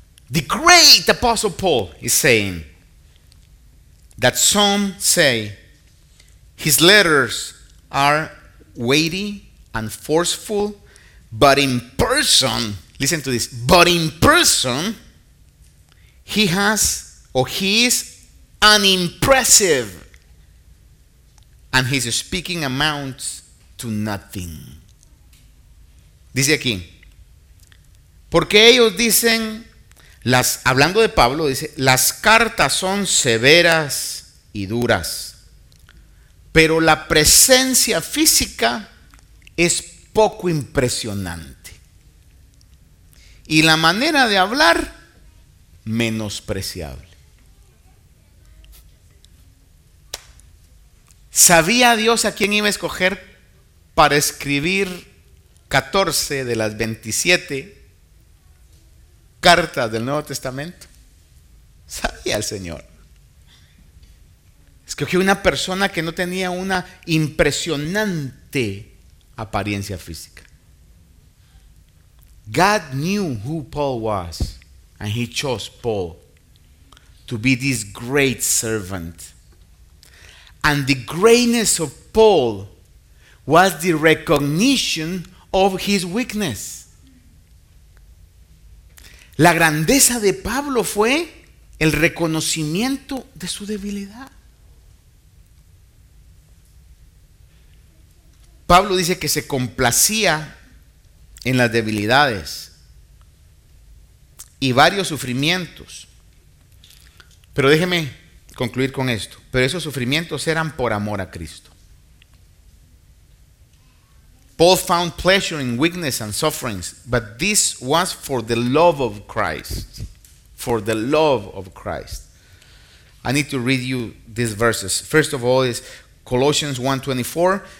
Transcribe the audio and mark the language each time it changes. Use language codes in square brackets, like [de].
[en] the great apostle Paul is saying that some say his letters are weighty and forceful, but in person, listen to this, but in person, he is unimpressive, and his speaking amounts to nothing. [es] Dice aquí, porque ellos dicen, hablando de Pablo, dice, las cartas son severas y duras, pero la presencia física es poco impresionante. Y la manera de hablar, menospreciable. ¿Sabía Dios a quién iba a escoger para escribir 14 de las 27 cartas del Nuevo Testamento? Sabía el Señor. Escogió una persona que no tenía una impresionante apariencia física. [en] God knew who Paul was, and he chose Paul to be this great servant. And the greatness of Paul was the recognition of his weakness. [es] La grandeza de Pablo fue el reconocimiento de su debilidad. Pablo dice que se complacía en las debilidades y varios sufrimientos. Pero déjeme concluir con esto. Pero esos sufrimientos eran por amor a Cristo. [en] Paul found pleasure in weakness and sufferings, but this was for the love of Christ. For the love of Christ. I need to read you these verses. First of all is Colossians 1:24.